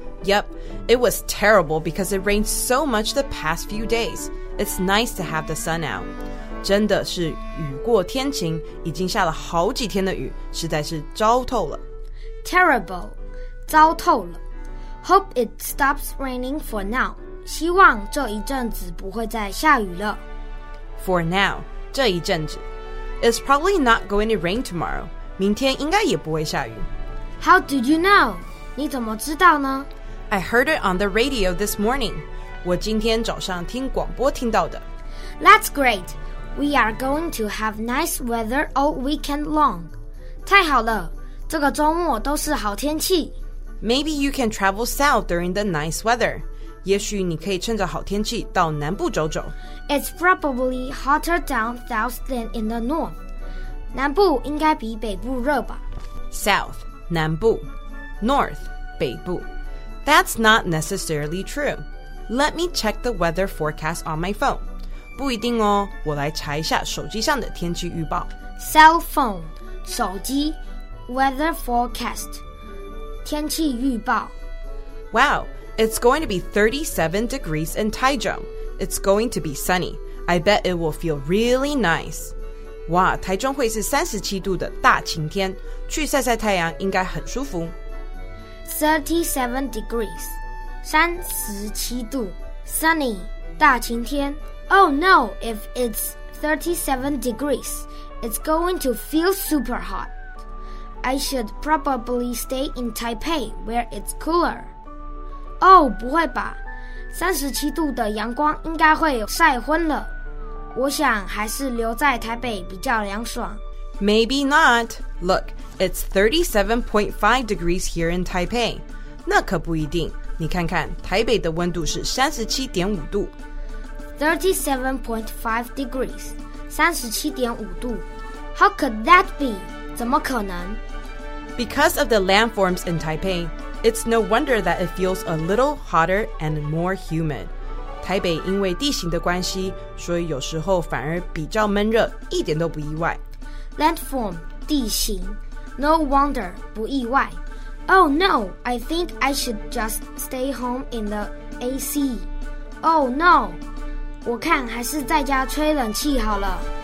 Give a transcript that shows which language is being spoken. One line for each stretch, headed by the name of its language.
English: Yep, it was terrible because it rained so much the past few days. It's nice to have the sun out.
Chinese: 真的是雨过天晴，已经下了好几天的雨，实在是糟透了。
English: Terrible,
Chinese: 糟透了。
English: Hope it stops raining for now.
Chinese: 希望这一阵子不会再下雨了。
English: For now,
Chinese: 这一阵子。
English: It's probably not going to rain tomorrow.
Chinese: 明天应该也不会下雨。
English: How did you know?
Chinese: 你怎么知道呢？
English: I heard it on the radio this morning.
Chinese: 我今天早上听广播听到的。
English: That's great. We are going to have nice weather all weekend long.
Chinese: 太好了，这个周末都是好天气。
English: Maybe you can travel south during the nice weather.
Chinese: 也许你可以趁着好天气到南部走走。
English: It's probably hotter down south than in the north.
Chinese: 南部应该比北部热吧。 South, 南部。North, 北部。
English: That's not necessarily true. Let me check the weather forecast on my phone.
Chinese: 不一定哦，我来查一下手机上的天气预报。
English: Cell phone,
Chinese: 手机
English: weather forecast,
Chinese: 天气预报。
English: Wow, it's going to be 37 degrees in Taichung. It's going to be sunny. I bet it will feel really nice.
Chinese: 哇，台中会是37度的大晴天，去晒晒太阳应该很舒服。
English: 37 degrees, 37度 sunny,
Chinese: 大晴天
English: Oh no, if it's 37 degrees, it's going to feel super hot. I should probably stay in Taipei, where it's cooler.
Chinese: Oh, 不会吧，37度的阳光应该会晒昏了。我想还是留在台北比较凉爽。
English: Maybe not. Look, it's 37.5 degrees here in Taipei.
Chinese: 那可不一定。你看看，台北的温度是 37.5 度。
English: 37.5 degrees, 37.5 度。 How could that be?
Chinese: 怎么可能？
English: Because of the landforms in Taipei, it's no wonder that it feels a little hotter and more humid.
Chinese: 台北因为地形的关系，所以有时候反而比较闷热，一点都不意外。
English: Landform,
Chinese: 地形
English: No wonder,
Chinese: 不意外
English: Oh no, I think I should just stay home in the AC Oh no,
Chinese: 我看还是在家吹冷气好了